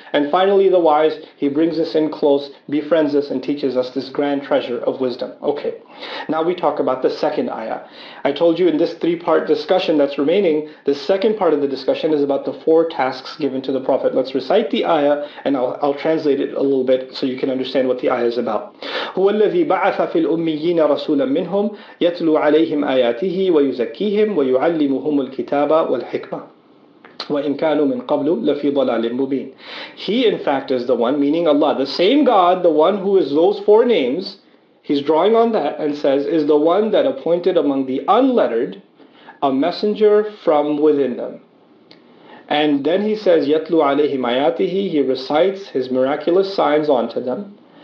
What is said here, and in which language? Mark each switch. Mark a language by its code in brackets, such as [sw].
[en] And finally, the wise, He brings us in close, befriends us, and teaches us this grand treasure of wisdom. Okay, now we talk about the second ayah. I told you in this three-part discussion that's remaining, the second part of the discussion is about the four tasks given to the Prophet. Let's recite the ayah, and I'll translate it a little bit so you can understand what the ayah is about. [ar] هو الذي بعث في الأميين رسولا منهم يتلو عليهم آياته ويزكيهم ويعلمهم الكتاب والحكمة وإن كانوا من قبل لفي ضلال مبين. [en] He in fact is the one, meaning Allah, the same God, the one who is those four names, he's drawing on that and says, is the one that appointed among the unlettered a messenger from within them. And then he says, [ar] يتلو عليهم آياته, [en] he recites his miraculous signs onto them.